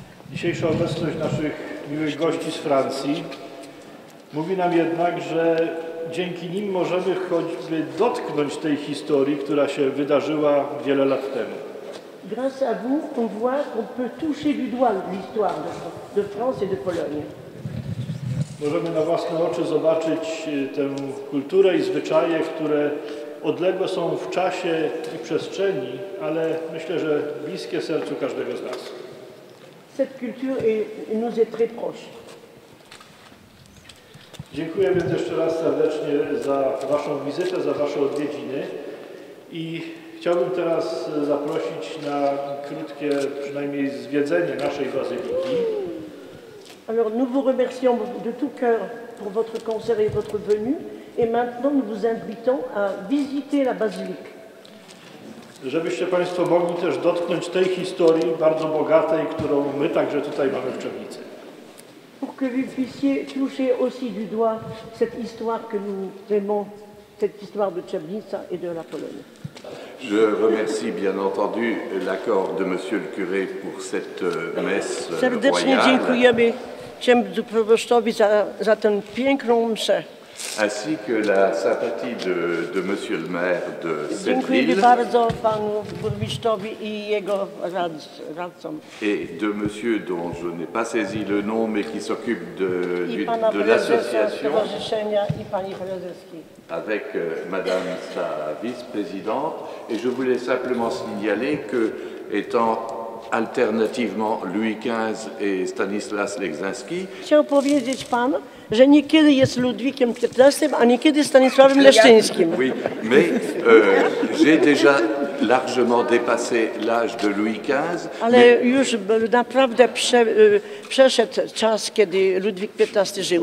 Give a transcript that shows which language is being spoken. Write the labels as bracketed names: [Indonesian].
[Polish] Dzisiejsza obecność naszych miłych gości z Francji mówi nam jednak, że dzięki nim możemy choćby dotknąć tej historii, która się wydarzyła wiele lat temu. [French] Grâce à vous, on voit qu'on peut toucher du doigt l'histoire de France et de Pologne. [Polish] Możemy na własne oczy zobaczyć tę kulturę i zwyczaje, które odległe są w czasie i przestrzeni, ale myślę, że bliskie sercu każdego z nas. [French] Cette culture nous est très proche. [Polish] Dziękuję więc jeszcze raz serdecznie za waszą wizytę, za wasze odwiedziny i chciałbym teraz zaprosić na krótkie przynajmniej zwiedzenie naszej bazyliki. [French] Alors nous vous remercions de tout cœur pour votre concert et votre venue. Et maintenant nous vous invitons à visiter la basilique. [Polish] Żebyście państwo mogli też dotknąć tej historii bardzo bogatej, którą my także tutaj mamy w Czernicy. [French] Pour que vous puissiez toucher aussi du doigt cette histoire que nous aimons, cette histoire de Czernica et de la Pologne. Je remercie bien entendu l'accord de monsieur le curé pour cette messe royale. [Polish] Serdecznie dziękujemy księdzu proboszczowi za tę piękną mszę. [French] Ainsi que la sympathie de monsieur le maire de cette [Polish] dziękuję [French] ville. [Polish] Bardzo panu burmistrzowi i jego radcom. [French] Et de monsieur dont je n'ai pas saisi le nom mais qui s'occupe de l'association. [Polish] I pana prezesa stowarzyszenia i pani prezeski. [French] Avec madame sa vice-présidente. Et je voulais simplement signaler que, étant alternativement Louis XV et Stanislas Leszczyński. [Polish] Chciałbym powiedzieć panu, że niekiedy jest Ludwikiem XV, a niekiedy Stanisławem Leszczyńskim. [French] Oui, mais j'ai déjà largement dépassé l'âge de Louis XV. [Polish] Ale już naprawdę przeszedł czas, kiedy Ludwik XV żył.